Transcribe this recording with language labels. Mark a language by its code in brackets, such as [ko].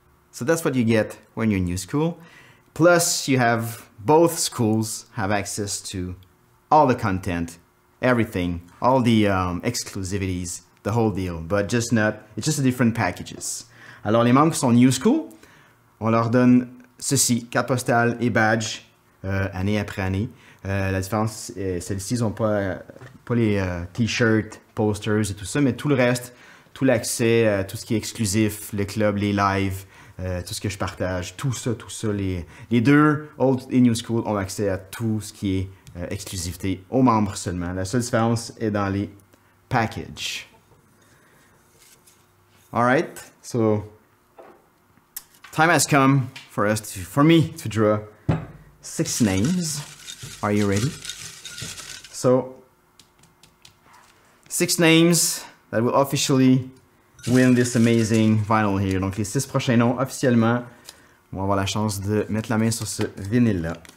[en] So that's what you get when you're in new school. Plus you have both schools have access to all the content, everything, all the exclusivities, the whole deal, but just not, it's just a different packages. [fr] Alors les membres sont new school, on leur donne ceci, carte postale et badge, année après année. La différence, celles-ci, ils n'ont pas les t-shirts, posters et tout ça, mais tout le reste, tout l'accès, tout ce qui est exclusif, le club, les lives, tout ce que je partage, tout ça, les deux, old et new school, ont accès à tout ce qui est exclusivité aux membres seulement. La seule différence est dans les packages. [en] All right, so time has come for us to, for me to draw six names. Are you ready? So, six names that will officially win this amazing vinyl here. [fr] Donc les six prochains noms officiellement vont avoir la chance de mettre la main sur ce vinyle là.